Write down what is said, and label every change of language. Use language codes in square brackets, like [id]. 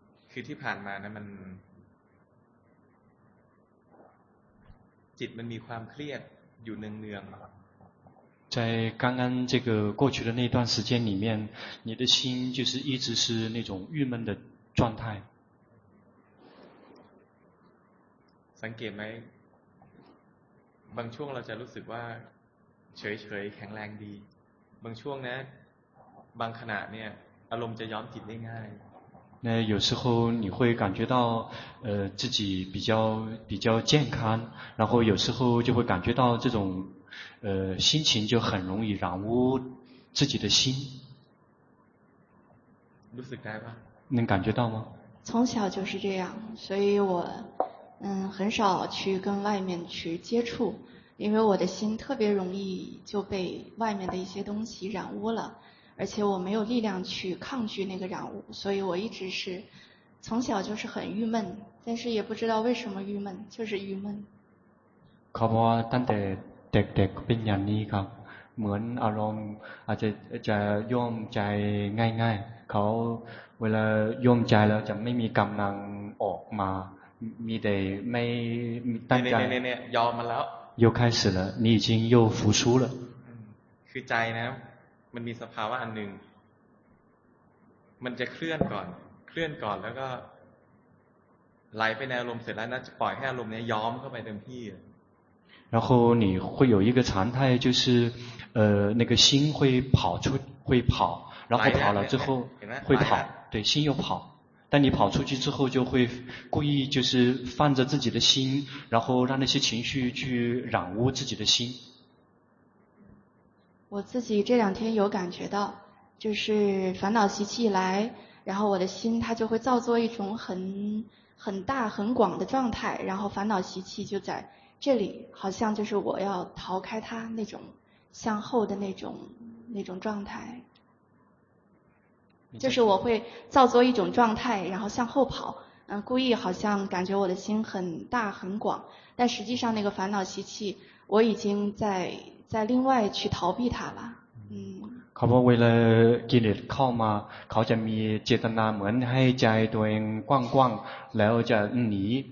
[th] คือที่ผ่านมานะมันจิตมันมีความเครียดอยู่เนือง [zh] ๆ在刚刚这个过去的那段时间里面你的心就是一直是那种郁闷的状态 [th] สังเกตไหมบางช่วงเราจะรู้สึกว่าเฉยๆแข็งแรงดีบางช่วงนะบางขณะเนี่ยอารมณ์จะย้อมจิตได้ง่าย [zh] 那有时候你会感觉到自己比较健康，然后有时候就会感觉到这种心情就很容易染污自己的心。不是该吧，能感觉到吗？从小就是这样，所以我很少去跟外面去接触，因为我的心特别容易就被外面的一些东西染污了，而且我没有力量去抗拒那个染污，所以我一直是从小就是很郁闷，但是也不知道为什么郁闷，就是郁闷。 [th] เขาบอกว่าตั้งแต่เด็กๆเป็นอย่างนี้ครับเหมือนอารมณ์อาจจะย่อมใจง่ายๆเขาเวลาย่อมใจแล้วจะไม่มีกำลังออกมามีแต่ไม่ตั้งใจ เนี่ยยอมมาแล้ว [zh] 又开始了你已经又服输了 [th] คือใจนะมันมีสภาวะอันหนึ่งมันจะเคลื่อนก่อนแล้วก็ไหลไปในอารมณ์เสร็จแล้วนะจะปล่อยให้อารมณ์นี้ย้อมเข้าไปเต็มที่ [zh] 然后你会有一个常态就是那个心会跑出会跑然后跑了之后会跑对心又跑但你跑出去之后就会故意就是放着自己的心然后让那些情绪去染污自己的心我自己这两天有感觉到就是烦恼习气来然后我的心它就会造作一种很大很广的状态然后烦恼习气就在这里好像就是我要逃开它那种向后的那种状态就是我会造作一种状态然后向后跑故意好像感觉我的心很大很广但实际上那个烦恼习气我已经在另外去逃避它了 [th] เขาบอกเวลากิเลสเข้ามาเขาจะมีเจตนาเหมือนให้ใจตัวเองกว้างๆแล้วจะหนี